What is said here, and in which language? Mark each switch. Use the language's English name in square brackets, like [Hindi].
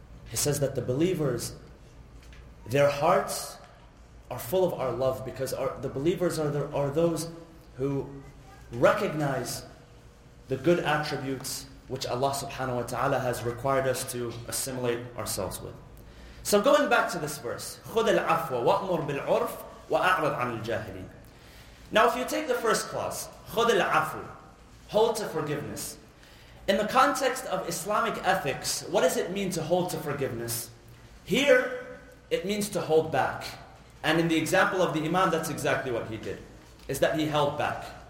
[English] He says that the believers, their hearts are full of our love because the believers are those who recognize the good attributes which Allah subhanahu wa ta'ala has required us to assimilate ourselves with. So going back to this verse, [Arabic] خُذَ الْعَفْوَ وَأْمُرْ بِالْعُرْفِ وَأَعْرَضْ عَنِ الْجَاهِلِينَ. [English] Now if you take the first clause, [Arabic] خُذَ الْعَفْوَ, [English] hold to forgiveness. In the context of Islamic ethics, what does it mean to hold to forgiveness? Here, it means to hold back. And in the example of the imam, that's exactly what he did, is that he held back.